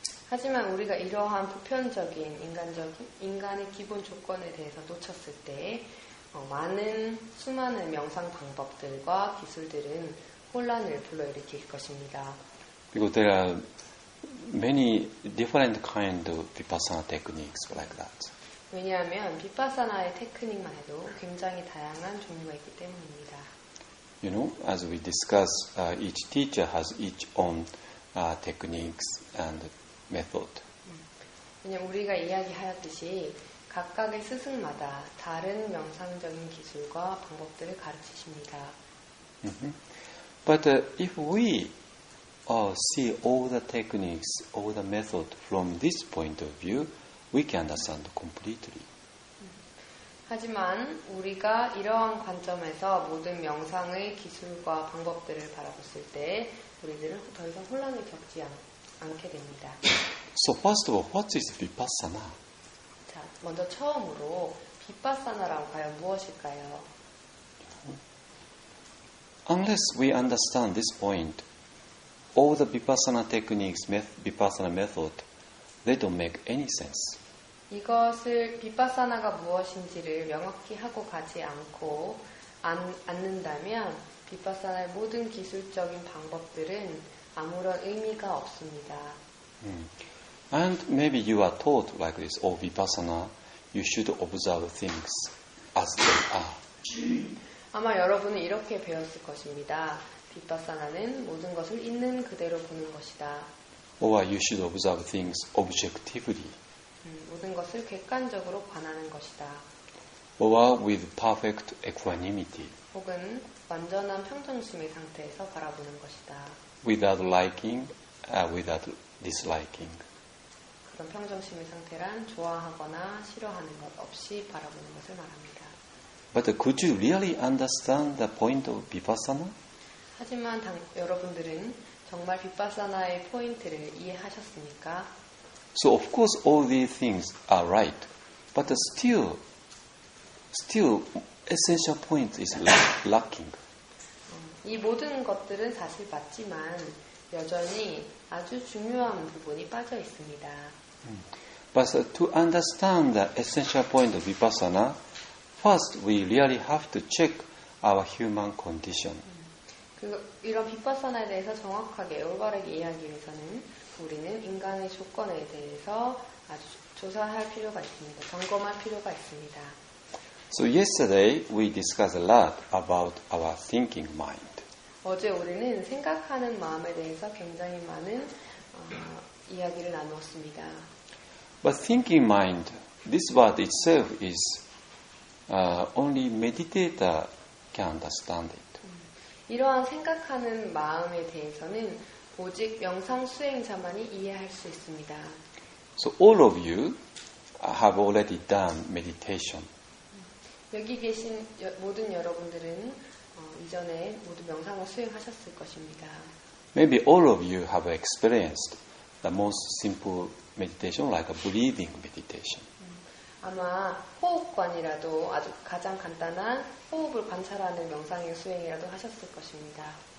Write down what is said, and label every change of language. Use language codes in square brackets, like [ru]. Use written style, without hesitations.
[ko] 하지만 우리가 이러한 보편적인 인간의 기본 조건에 대해서 놓쳤을 때 수많은 명상 방법들과 기술들은 혼란을 불러일으킬 것입니다. [en] Because there are many different kinds of vipassana techniques like that. [ko] 왜냐하면 비파사나의 테크닉만 해도 굉장히 다양한 종류가 있기 때문입니다. [en] You know, as we discuss, each teacher has each own techniques and method. [ko] 왜냐하면 우리가 이야기하였듯이 각각의 스승마다 다른 명상적인 기술과 방법들을 가르치십니다. Mm-hmm. [en] But if we see all the techniques, all the methods from this point of view, we can understand completely. [ko] 하지만 우리가 이러한 관점에서 모든 명상의 기술과 방법들을 바라봤을 때 우리들은 더 이상 혼란을 겪지 않게 됩니다. [en] So first of all, what is Vipassana? [ko] 자, 먼저 처음으로 Vipassana란 과연 무엇일까요? [en] Unless we understand this point, all the Vipassana techniques, Vipassana method, they don't make any sense. [ko] 이것을 비파사나가 무엇인지를 명확히 하고 가지 않고 않는다면 비파사나의 모든 기술적인 방법들은 아무런 의미가 없습니다. [en] And maybe you are taught like this, oh, Vipassana, you should observe things as they are. [ko] 아마 여러분은 이렇게 배웠을 것입니다. 비파사나는 모든 것을 있는 그대로 보는 것이다. [en] Or you should observe things objectively. [ko] 모든 것을 객관적으로 관하는 것이다. [en] Or with perfect equanimity. [ko] 혹은 완전한 평정심의 상태에서 바라보는 것이다. [en] Without liking, without disliking. [ko] 그런 평정심의 상태란 좋아하거나 싫어하는 것 없이 바라보는 것을 말합니다. [en] But could you really understand the point of vipassana? [ko] 하지만 여러분들은 정말 비파사나의 포인트를 이해하셨습니까? [en] So of course all these things are right, but still essential point is lacking. [ko] 이 모든 것들은 사실 맞지만 여전히 아주 중요한 부분이 빠져 있습니다. [en] But to understand the essential point of vipassana, first we really have to check our human condition. [ko] 이런 비파사나에 대해서 정확하게 올바르게 이해하기 위해서는 우리는 인간의 조건에 대해서 아주 조사할 필요가 있습니다. 점검할 필요가 있습니다. [en] So yesterday we discussed a lot about our thinking mind. [ko] 어제 우리는 생각하는 마음에 대해서 굉장히 많은 이야기를 나누었습니다. [en] But thinking mind, this word itself is only meditator can understand it. [ko] 이러한 생각하는 마음에 대해서는 오직 명상 수행자만이 이해할 수 있습니다. [en] So all of you have already done meditation. [ko] 여기 계신 모든 여러분들은 이전에 모두 명상을 수행하셨을 것입니다. [en] Maybe all of you have experienced the most simple meditation, like a breathing meditation. [ko] 아마 호흡관이라도 아주 가장 간단한 호흡을 관찰하는 명상의 수행이라도 하셨을 것입니다.